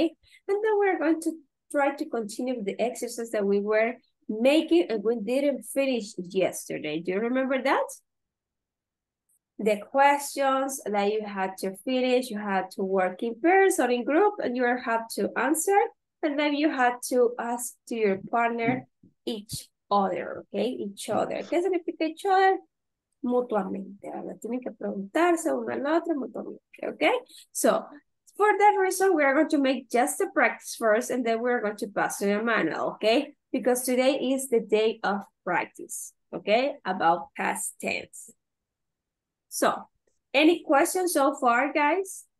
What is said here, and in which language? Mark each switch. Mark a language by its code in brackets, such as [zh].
[en] And then we're going to try to continue with the exercise that we were making and we didn't finish yesterday. Do you remember that? The questions that you had to finish, you had to work in pairs or in group, and you have to answer, and then you had to ask to your partner each other, okay? [es] Each other. ¿Qué significa each other? Mutuamente, ¿verdad? Tienen que preguntarse uno al otro mutuamente, okay? [en] So, for that reason, we are going to make just the practice first, and then we are going to pass to your manual, okay? Because today is the day of practice, okay? About past tense. So, any questions so far, guys?